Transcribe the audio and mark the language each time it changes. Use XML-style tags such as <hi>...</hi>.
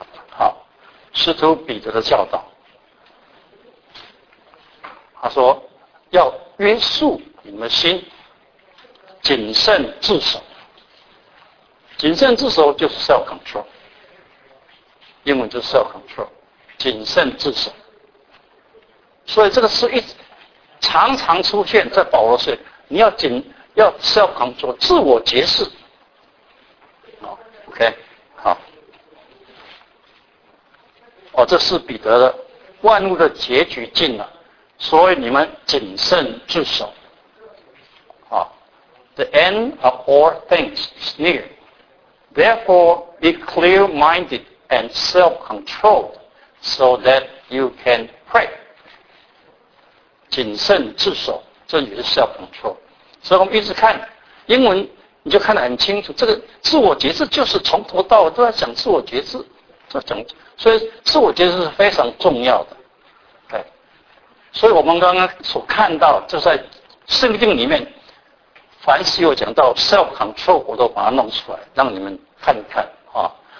<zh>好，使徒彼得的教导，他说要约束你们心，谨慎自守，谨慎自守就是 self control， 英文就是 self control，谨慎自守，所以这个是一常常出现在保罗身上。你要谨要 self control 自我节制。 OK， 好。哦，这是彼得的，万物的结局近了，所以你们谨慎自守。</zh> <en>好 ，The end of all things is near. Therefore, be clear-minded and self-controlled. So that you can pray，</en> <zh>谨慎自守，这也是</zh> <en>self control。</en> <zh>所以我们一直看英文，你就看得很清楚。这个自我节制就是从头到尾都在讲自我节制，这讲，所以自我节制是非常重要的。对，所以我们刚刚所看到，就在圣经里面，凡是有讲到 self control， 我都把它弄出来，让你们看一看啊。</zh>